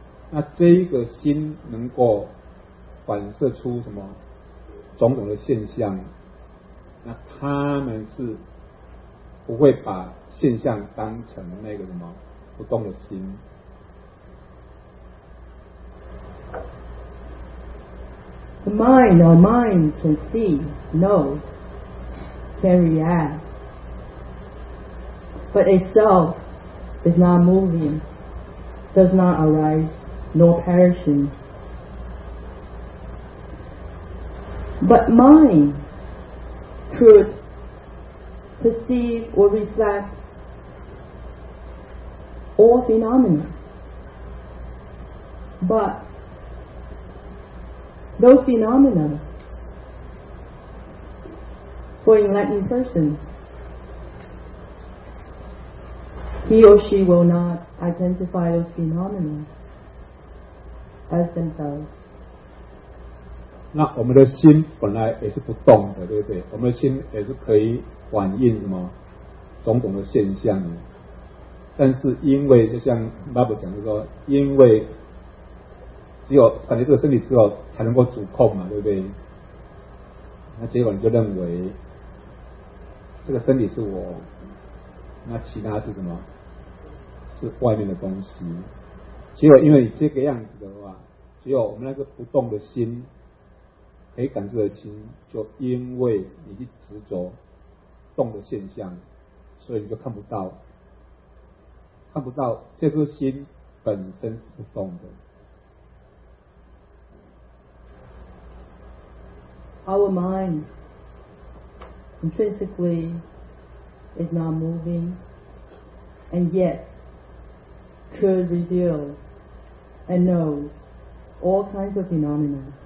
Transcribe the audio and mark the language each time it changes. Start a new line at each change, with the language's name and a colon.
Chinese: 那这一个心能够反射出什么种种的现象，那他们是不会把现象当成那个什么不动的心。
English: The mind or mind can see, know, can react, but itself is not moving, does not arise, nor perishing. But mind could perceive or reflect all phenomena, but those phenomena for enlightened person, he or she will not identify those phenomena as themselves.
Chinese: 那我们的心本来也是不动的，对不对？我们的心也是可以反映什么种种的现象的，但是因为就像爸爸讲的说，因为只有感觉这个身体之后才能够主控嘛，对不对？那结果你就认为这个身体是我，那其他是什么？是外面的东西。结果因为你这个样子的话，只有我们那个不动的心可以感知的心，就因为你去执着动的现象，所以你就看不到，看不到这颗心本身是不动的。
English: Our mind intrinsically is not moving and yet could reveal and know all kinds of phenomena.